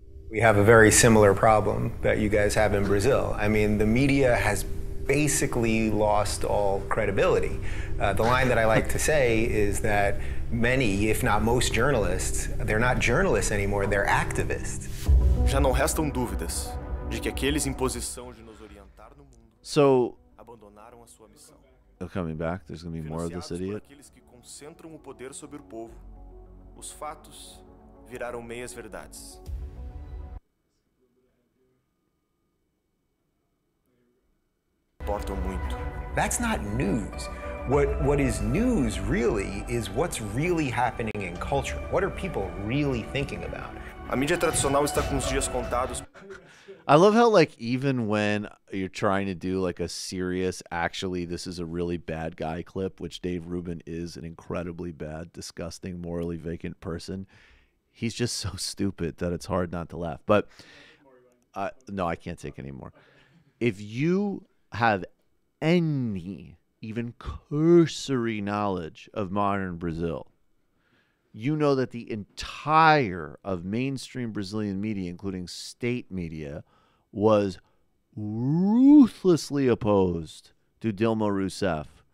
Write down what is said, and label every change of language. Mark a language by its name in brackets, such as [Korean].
[English] We have a very similar problem that you guys have in Brazil. I mean, the media has basically lost all credibility. The line that I like to say is that many, if not most journalists, they're not journalists anymore, they're activists. [Portuguese] Já não restam dúvidas de que aqueles em posição de nos orientar no mundo abandonaram a sua missão. [English] They're coming back. There's going to be more of this idiot. [Portuguese] Financiados por aqueles que concentram o poder sobre o povo, os fatos viraram meias verdades. [English] That's not news. What is news really is what's really happening in culture. What are people really thinking about? [Portuguese] A mídia tradicional está com os dias contados. [English] I love how, like, even when you're trying to do like a serious, actually this is a really bad guy clip, which Dave Rubin is an incredibly bad, disgusting, morally vacant person, he's just so stupid that it's hard not to laugh. But no, I can't take any more. If you have any even cursory knowledge of modern Brazil, you know that the entire of mainstream Brazilian media, including state media, was ruthlessly opposed to Dilma Rousseff